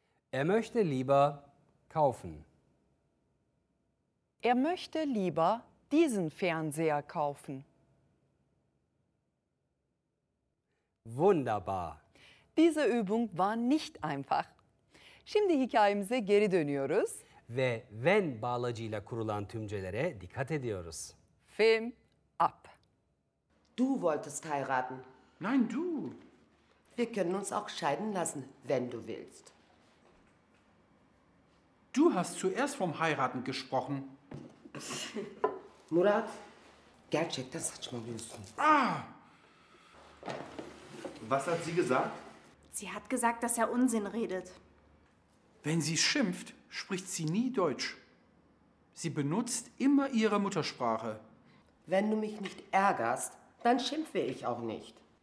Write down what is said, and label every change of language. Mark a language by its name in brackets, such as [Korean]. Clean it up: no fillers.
[German] Er möchte lieber kaufen. Er möchte lieber diesen Fernseher kaufen. Wunderbar. Diese Übung war nicht einfach. [Turkish] Şimdi hikayemize geri dönüyoruz. Ve wenn bağlacıyla kurulan tümcelere dikkat ediyoruz. [German] Film ab. Du wolltest heiraten. Nein, du. Wir können uns auch scheiden lassen, wenn du willst. Du hast zuerst vom Heiraten gesprochen. [Turkish] Murat, gerçekten saçmalıyorsun. Ah! [German] Was hat sie gesagt? Sie hat gesagt, dass er Unsinn redet. Wenn sie schimpft, spricht sie nie Deutsch. Sie benutzt immer ihre Muttersprache. Wenn du mich nicht ärgerst, dann schimpfe ich auch nicht.